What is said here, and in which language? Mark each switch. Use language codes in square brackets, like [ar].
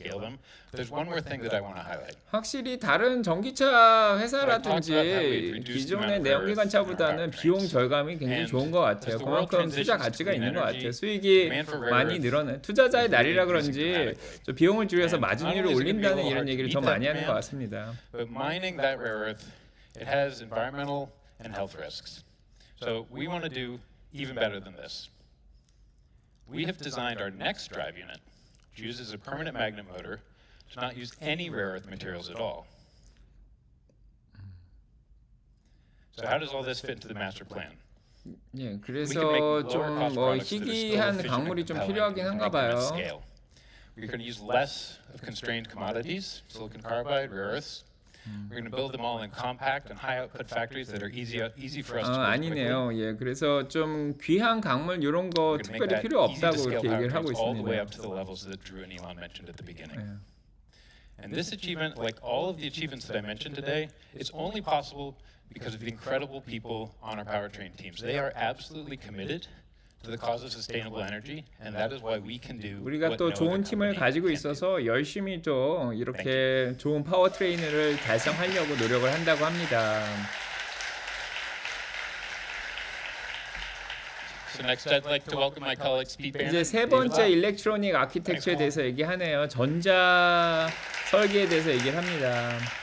[en] I think it's transformative for the adoption of EVs and our ability to scale them. There's one more thing that I want to highlight. [ko] 확실히 다른 전기차 회사라든지 기존의 내연기관차보다는 비용 절감이 굉장히 좋은 것 같아요. 그만큼 투자 가치가 있는 것 같아요. 수익이 많이 늘어나 투자자의 날이라 그런지 좀 비용을 줄여서 마진율을 올린다는 이런 얘기를 더 많이 하는 것 같습니다. [en] But mining that rare earth, it has environmental and health risks. So we want to do even better than this. We have designed our next drive unit, which uses a permanent magnet motor, to not use any rare earth materials at all. So how does all this fit into the master plan? [ko] 예, 그래서 좀 뭐 희귀한 광물이 좀 필요하긴 한가 봐요. [en] We're going to use less of constrained commodities, silicon carbide, rare earths. We're going to build them all in compact and high output factories that are easy for us to build. [ko] 아니네요. 예, 그래서 좀 귀한 강물 이런 거 특별히 필요 없다고 이렇게 얘기를 하고 있습니다. [en] All the way up to the levels that Drew and Elon mentioned at the beginning. And this achievement, like all of the achievements that I mentioned today, it's only possible because of the incredible people on our powertrain teams. They are absolutely committed to the cause of sustainable energy, and that is why we can do. [ko] 우리가 또 좋은 팀을 가지고 있어서 열심히 또 이렇게 좋은 파워 트레이너를 달성하려고 노력을 한다고 합니다. [en] So next, I'd like to welcome my colleagues, Pete Barron. [ko] 이제 세 번째 일렉트로닉 아키텍처에 대해서 얘기하네요. 전자 설계에 대해서 얘기를 합니다.